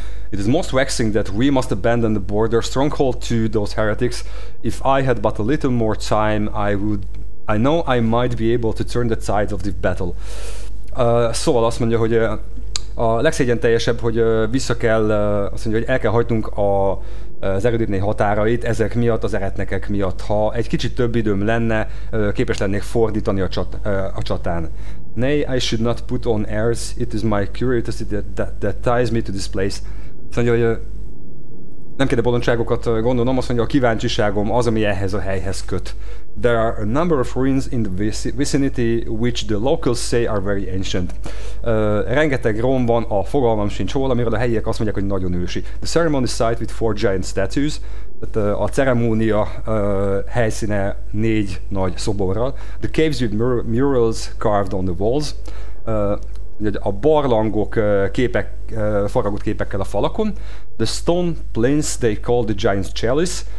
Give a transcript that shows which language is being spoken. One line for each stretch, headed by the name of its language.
English: It is most vexing that we must abandon the border stronghold to those heretics. If I had but a little more time, I know I might be able to turn the tide of the battle.
Hungarian: Szóval azt mondja, hogy a legszégyenteljesebb, hogy vissza kell, azt mondja, hogy el kell hagynunk az erődítmény határait, ezek miatt, az eretnekek miatt. Ha egy kicsit több időm lenne, képes lennék fordítani a csatán.
English: Nay, I should not put on airs, it is my curiosity that ties me to this place.
Hungarian: Azt mondja, hogy nem kéne bolondságokat gondolnom, azt mondja, a kíváncsiságom az, ami ehhez a helyhez köt.
English: There are a number of ruins in the vicinity which the locals say are very ancient.
Hungarian: Rengeteg rom van, a fogalmam sincs hol, amiről a helyiek azt mondják, hogy nagyon ősi.
English: The ceremony site with four giant statues.
Hungarian: A ceremónia helyszíne négy nagy szoborral.
English: The caves with murals carved on the walls.
Hungarian: A barlangok képek, faragott képekkel a falakon.
English: The stone plinth they call the giant's chalice.